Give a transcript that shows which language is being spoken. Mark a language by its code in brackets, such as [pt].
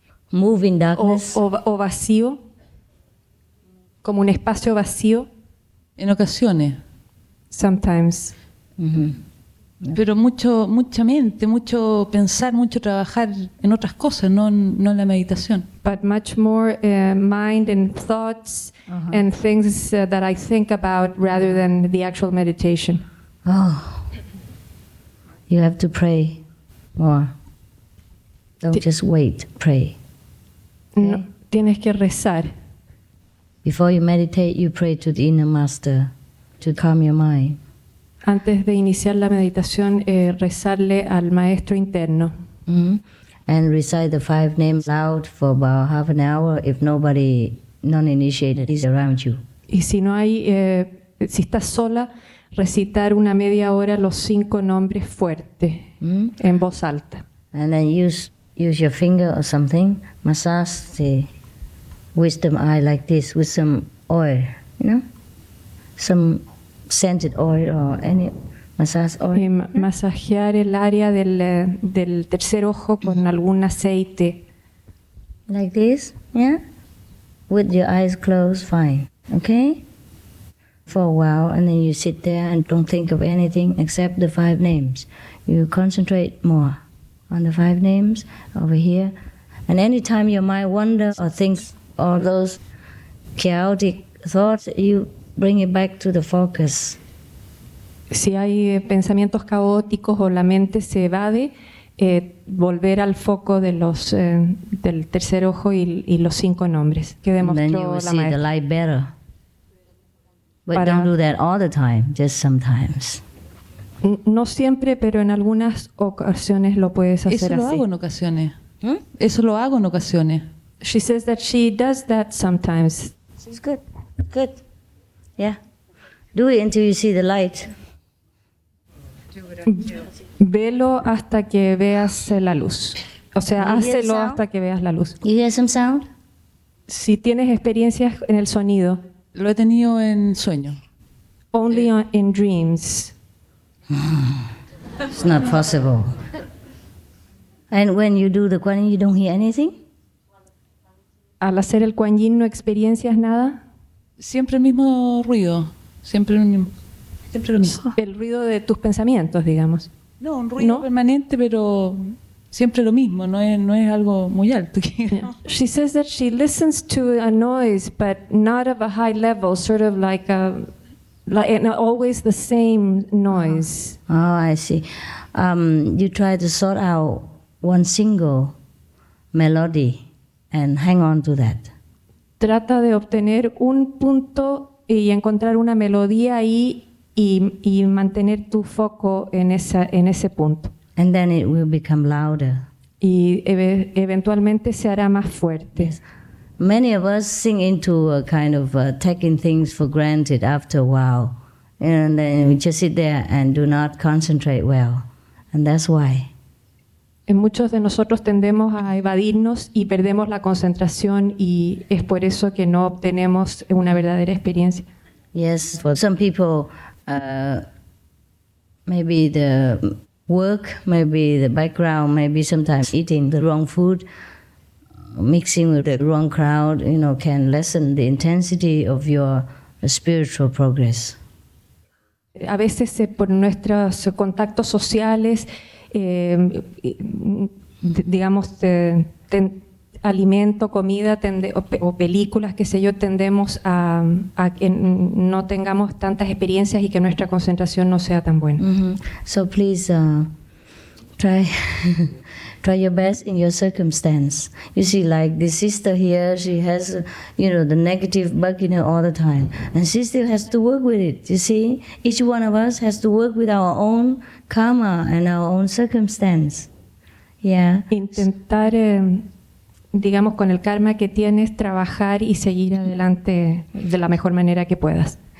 [en] moving darkness [es] o vacío, como un espacio vacío. En ocasiones. [en] Sometimes. Mm-hmm. [es] Pero mucha mente, mucho pensar, mucho trabajar en otras cosas, no en la meditación. [en] But much more mind and thoughts, uh-huh, and things that I think about rather than the actual meditation. Oh, you have to pray more. Don't just wait, pray. Okay? [es] No, tienes que rezar. [en] Before you meditate, you pray to the inner master to calm your mind. [es] Antes de iniciar la meditación, rezarle al maestro interno. Mm-hmm. [en] And recite the five names loud for about half an hour if nobody non-initiated is around you. [es] Y si no hay, si estás sola, recitar una media hora los cinco nombres fuerte, mm-hmm, en voz alta. [en] And then use your finger or something, massage the wisdom eye like this with some oil, you know? Some scented oil or any massage oil. [es] Y masajear el área del tercer ojo con algún aceite. [en] Like this, yeah? With your eyes closed, fine. Okay? For a while, and then you sit there and don't think of anything except the five names. You concentrate more on the five names over here. And any time your mind wanders or thinks all those chaotic thoughts, you bring it back to the focus. [es] Si hay pensamientos caóticos o la mente se evade, volver al foco de los del tercer ojo y los cinco nombres que demostró la maestra. [en] Then you will see the light better. But don't do that all the time, just sometimes. [es] No siempre, pero en algunas ocasiones lo puedes hacer así. Eso lo hago en ocasiones. ¿Eh? Eso lo hago en ocasiones. [en] She says that she does that sometimes. It's good. Good. Yeah. Do it until you see the light. [es] Velo hasta que veas la luz. O sea, hácelo hasta que veas la luz. [en] You hear some sound? [es] Si tienes experiencias en el sonido. Lo he tenido en sueño. [en] Only in dreams. It's not possible. And when you do the Kuan Yin, you don't hear anything? [es] Al hacer el Kuan Yin, no experiencias nada. Siempre el mismo ruido, siempre lo mismo. El ruido de tus pensamientos, digamos. No, un ruido, ¿no?, permanente, pero siempre lo mismo, no es algo muy alto. [en] Yeah. She says that she listens to a noise, but not of a high level, sort of like and always the same noise. Oh, I see. You try to sort out one single melody and hang on to that. [es] Trata de obtener un punto y encontrar una melodía ahí y mantener tu foco en ese punto. [en] And then it will become louder. [es] Y eventualmente se hará más fuerte. [en] Yes. Many of us sink into a kind of taking things for granted after a while. And then we just sit there and do not concentrate well. And that's why. [es] En muchos de nosotros tendemos a evadirnos y perdemos la concentración y es por eso que no obtenemos una verdadera experiencia. [en] Yes, for some people, maybe the work, maybe the background, maybe sometimes eating the wrong food, mixing with the wrong crowd, you know, can lessen the intensity of your spiritual progress. [es] A veces por nuestros contactos sociales, digamos, alimento, comida, o películas, qué sé yo, tendemos a que no tengamos tantas experiencias y que nuestra concentración no sea tan buena. Mm-hmm. [en] So please try your best in your circumstance. You see, like this sister here, she has, you know, the negative bug in her all the time, and she still has to work with it. You see, each one of us has to work with our own karma and our own circumstance. Yeah. [es] Intentar, digamos, con el karma que tienes, trabajar y seguir adelante de la mejor manera que puedas.